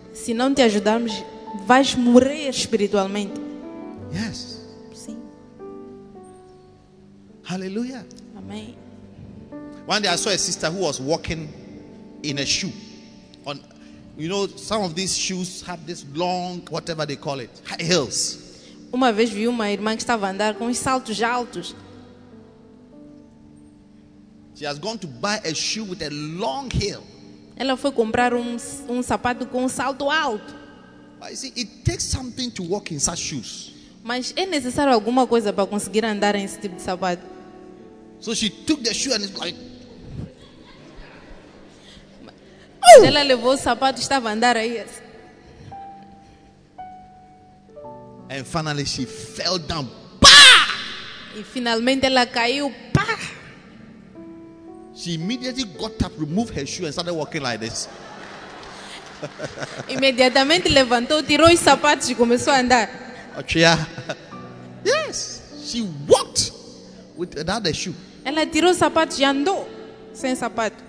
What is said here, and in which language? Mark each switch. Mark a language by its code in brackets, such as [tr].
[pt] Se não te ajudarmos, vais morrer espiritualmente. [en] Yes. [pt] Sim. [en] Hallelujah. [pt] Amém. [en] One day I saw a sister who was walking in a shoe. On, you know, some of these shoes have this long, whatever they call it, high heels. [pt] Uma vez vi uma irmã que estava a andar com uns saltos altos. [en] She has gone to buy a shoe with a long heel. [pt] Ela foi comprar um sapato com um salto alto. [en] But you see, it takes something to walk in such shoes. [pt] Mas é necessário alguma coisa para conseguir andar em esse tipo de sapato. [en] So she took the shoe and it's like. [pt] Mas ela levou o sapato e estava a andar aí. [en] And finally she fell down. Bah! [pt] E finalmente ela caiu. Bah! [en] She immediately got up, removed her shoe and started walking like this. [pt] Imediatamente levantou, tirou os sapatos e começou a andar. [en] Achia. Yes, she walked without the shoe. [pt] Ela tirou os sapatos e andou sem sapato.